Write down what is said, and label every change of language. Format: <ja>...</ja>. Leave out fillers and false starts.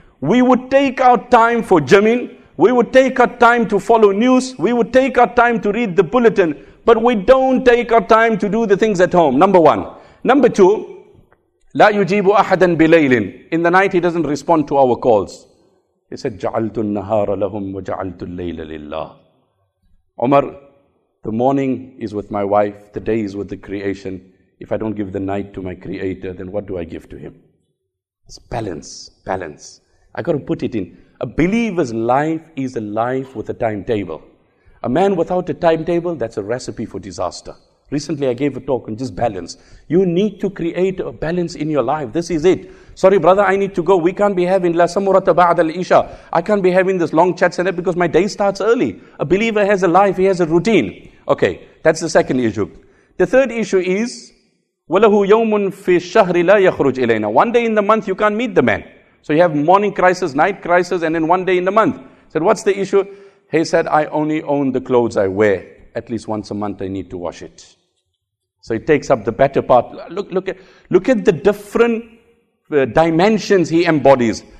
<en>We would take our time for jamin. We would take our time to follow news. We would take our time to read the bulletin. But we don't take our time to do the things at home. Number one. Number two,</en> <ar>لا يجيب أحدا بليل.</ar> <en>In the night, he doesn't respond to our calls. He said,</en> <ar>جَعَلْتُ النَّهَارَ لَهُمْ وَجَعَلْتُ اللَّيْلَ لِلَّهِ.</ar> <en>Umar, the morning is with my wife, the day is with the creation. If I don't give the night to my creator, then what do I give to him? It's balance, balance. I got to put it in. A believer's life is a life with a timetable. A man without a timetable, that's a recipe for disaster. Recently, I gave a talk on just balance. You need to create a balance in your life. This is it. Sorry, brother, I need to go. We can't be having</en> <ar>la samurata ba'd al-isha.</ar> <en>I can't be having this long chat center because my day starts early. A believer has a life. He has a routine. Okay, that's the second issue. The third issue is,</en> <ar>وَلَهُ يَوْمٌ فِي الشَّهْرِ لَا يَخْرُجْ إِلَيْنَا.</ar> <en>One day in the month, you can't meet the man. So you have morning crisis, night crisis, and then one day in the month. I said, what's the issue? He said, I only own the clothes I wear. At least once a month, I need to wash it. So he takes up the better part. Look at the different dimensions he embodies.</en>